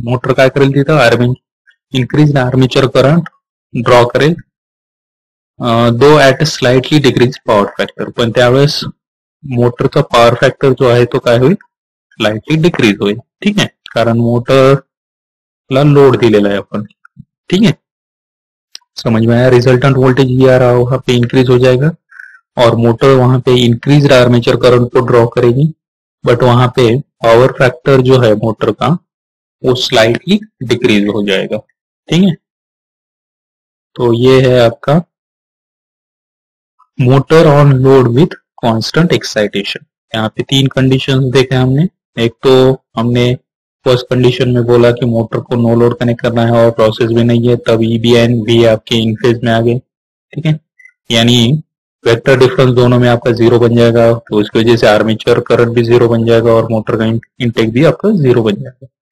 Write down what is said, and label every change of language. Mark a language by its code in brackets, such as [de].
[mr] Motor काय करेल तिथं इन्क्रीज्ड आर्मेचर करंट ड्रॉ करेल [en] though at a slightly decrease power factor, [mr] पण त्यावेळेस मोटरचा पॉवर फॅक्टर जो आहे तो काय होईल स्लाइटली डिक्रीज होईल. ठीक आहे, कारण मोटरला लोड दिलेला आहे आपण. [hi] ठीक आहे, समज में आया. रिझल्टंट व्होल्टेज ई आर वहां पे इंक्रीज हो जाएगा और मोटर वहां पे इंक्रीज आर्मेचर करंट को ड्रॉ करेगी, बट वहां पे पॉवर फैक्टर जो है मोटर का वो स्लाइटली डिक्रीज हो जाएगा. ठीक है, तो ये है आपका [en] Motor on load with constant excitation. [hi] यहाँ पे तीन कंडीशन देखे हमने. एक तो हमने फर्स्ट कंडीशन में बोला कि मोटर को नो लोड कनेक्ट करना है और प्रोसेस भी नहीं है, तब ई बी एंड वी आपके इन फेज में आ गए. ठीक है, यानी वेक्टर डिफरेंस दोनों में आपका जीरो बन जाएगा, तो उसकी वजह से आर्मेचर करंट भी जीरो बन जाएगा और मोटर का इंटेक भी आपका जीरो बन जाएगा.